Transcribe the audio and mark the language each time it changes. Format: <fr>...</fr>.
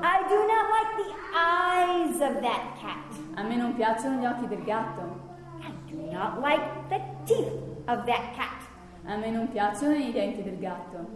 <en>"I do not like the eyes of that cat."</en> <it>A me non piacciono gli occhi del gatto.</it> <en>"I do not like the teeth of that cat."</en> <it>A me non piacciono i denti del gatto.</it>